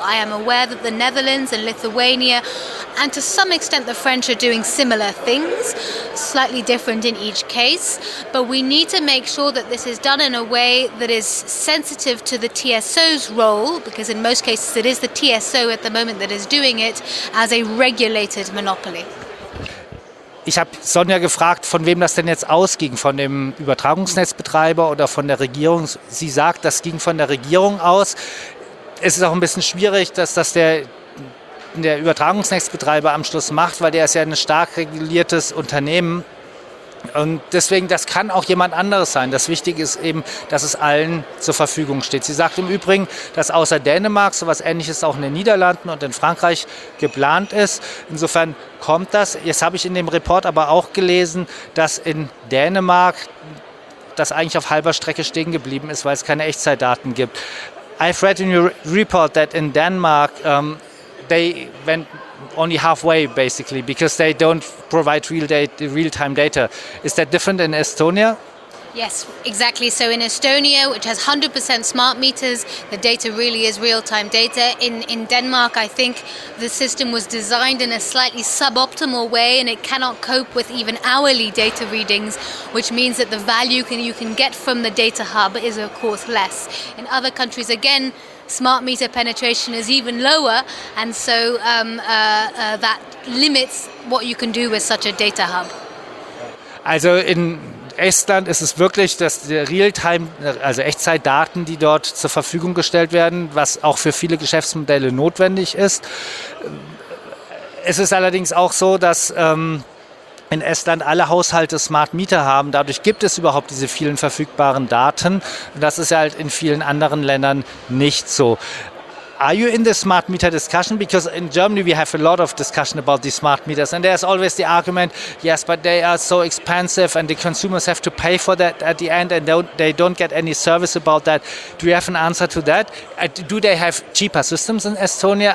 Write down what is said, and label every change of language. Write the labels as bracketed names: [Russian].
[English] I am aware that the Netherlands and Lithuania, and to some extent the French, are doing similar things, slightly different in each case. But we need to make sure that this is done in a way that is sensitive to the TSO's role, because in most cases it is the TSO at the moment that is doing it as a regulated monopoly. [German] Ich habe Sonja gefragt, von wem das denn jetzt ausging, von dem Übertragungsnetzbetreiber oder von der Regierung. Sie sagt, das ging von der Regierung aus. Es ist auch ein bisschen schwierig, dass das der Übertragungsnetzbetreiber am Schluss macht, weil der ist ja ein stark reguliertes Unternehmen. Und deswegen, das kann auch jemand anderes sein. Das Wichtige ist eben, dass es allen zur Verfügung steht. Sie sagt im Übrigen, dass außer Dänemark sowas Ähnliches auch in den Niederlanden und in Frankreich geplant ist. Insofern kommt das. Jetzt habe ich in dem Report aber auch gelesen, dass in Dänemark das eigentlich auf halber Strecke stehen geblieben ist, weil es keine Echtzeitdaten gibt. [English] I've read in your report that in Denmark they went only halfway basically because they don't provide real-time data. Is that different in Estonia? Yes, exactly. So in Estonia, which has 100% smart meters, the data really is real-time data. In Denmark, I think the system was designed in a slightly suboptimal way and it cannot cope with even hourly data readings, which means that the value you can get from the data hub is, of course, less. In other countries, again, smart meter penetration is even lower, and so that limits what you can do with such a data hub. [German] Also in Estland ist es wirklich, dass Realtime, also Echtzeitdaten, die dort zur Verfügung gestellt werden, was auch für viele Geschäftsmodelle notwendig ist. Es ist allerdings auch so, dass in Estland alle Haushalte Smart Meter haben. Dadurch gibt es überhaupt diese vielen verfügbaren Daten. Und das ist ja halt in vielen anderen Ländern nicht so. [English] Are you in the smart meter discussion? Because in Germany we have a lot of discussion about the smart meters, and there's always the argument, yes, but they are so expensive and the consumers have to pay for that at the end and they don't get any service about that. Do you have an answer to that? Do they have cheaper systems in Estonia?